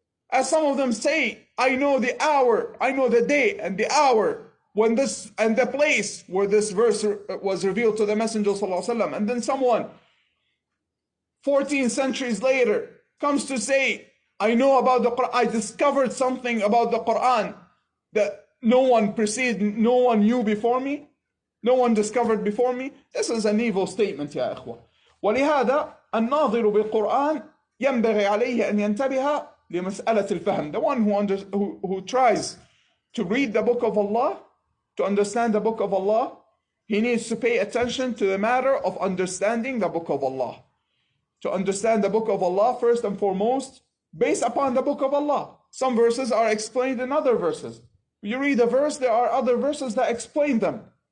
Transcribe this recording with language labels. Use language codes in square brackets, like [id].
[en] As some of them say, I know the hour, I know the day and the hour when this and the place where this verse was revealed to the Messenger sallallahu alaihi wasallam. And then someone 14 centuries later comes to say, I know about the Quran, I discovered something about the Quran that no one preceded, no one knew before me, no one discovered before me. This is an evil statement, [ar] ya ikhwa. ولهذا الناظر بالقرآن ينبغي عليه أن ينتبه لمسألة الفهم. [en] The one who tries to read the book of Allah, to understand the book of Allah, he needs to pay attention to the matter of understanding the book of Allah. To understand the book of Allah, first and foremost, based upon the book of Allah. Some verses are explained in other verses. You read a verse, there are other verses that explain them.